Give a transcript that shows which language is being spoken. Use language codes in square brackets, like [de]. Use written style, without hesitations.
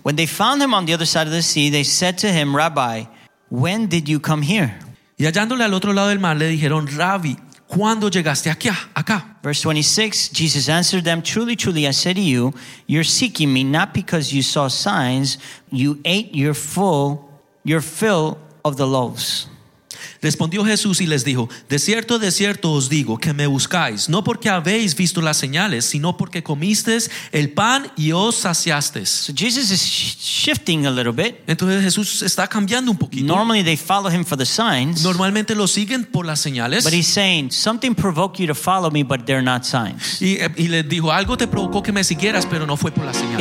[en] When they found him on the other side of the sea, they said to him, Rabbi, when did you come here? [es] Y hallándole al otro lado del mar, le dijeron, Rabbi, ¿cuándo llegaste aquí, acá? [en] Verse 26, Jesus answered them, truly, truly, I say to you, you're seeking me not because you saw signs, you ate your fill of the loaves. [es] Respondió Jesús y les dijo, de cierto os digo que me buscáis, no porque habéis visto las señales, sino porque comisteis el pan y os saciasteis. [en] So Jesus is shifting a little bit. [es] Entonces Jesús está cambiando un poquito. [en] Normally they follow him for the signs. [es] Normalmente lo siguen por las señales. [en] But he's saying, something provoked you to follow me, but they're not signs. [es] Y le dijo, algo te provocó que me siguieras, pero no fue por las señales.